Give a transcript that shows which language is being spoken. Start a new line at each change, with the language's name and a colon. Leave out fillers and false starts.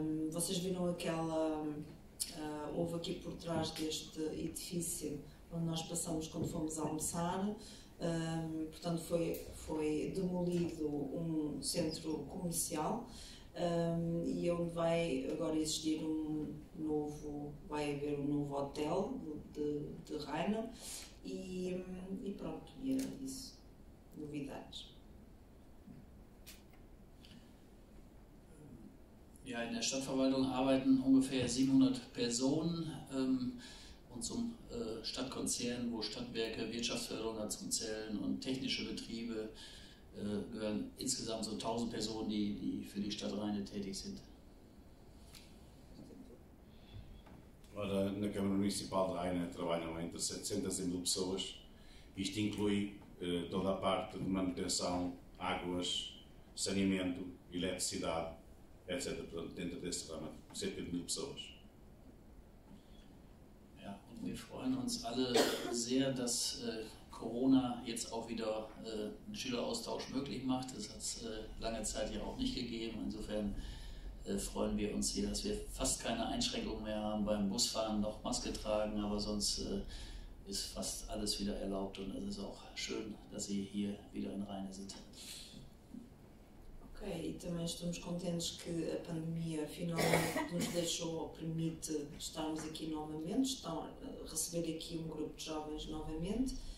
Portuguese: Vocês viram aquela... houve aqui por trás deste edifício onde nós passamos quando fomos almoçar, portanto foi demolido um centro comercial e onde vai agora existir um novo, vai haver um novo hotel de Rheine e pronto, e era isso, novidades.
German: Ja, in der Stadtverwaltung arbeiten ungefähr 700 Personen und zum Stadtkonzern, wo Stadtwerke, Wirtschaftsförderung dazu zählen und technische Betriebe, gehören insgesamt so 1000 Personen, die für die Stadt Rheine tätig sind.
Portuguese: Ora, na Câmara Municipal de Rheine trabalham entre 700 e 1000 pessoas. Isto inclui toda a parte de manutenção, águas, saneamento, eletricidade, etc. Dentro desse ramo, cerca de 1000 pessoas.
German: Ja, und wir freuen uns alle sehr, dass Corona jetzt auch wieder einen Schüleraustausch möglich macht. Das hat es lange Zeit ja auch nicht gegeben. Insofern freuen wir uns hier, dass wir fast keine Einschränkungen mehr haben beim Busfahren, noch Maske tragen, aber sonst ist fast alles wieder erlaubt und es ist auch schön, dass Sie hier wieder in Reine sind.
Portuguese: Okay, e também estamos contentes que a pandemia finalmente nos deixou, permite estarmos aqui novamente, receber aqui um grupo de jovens novamente.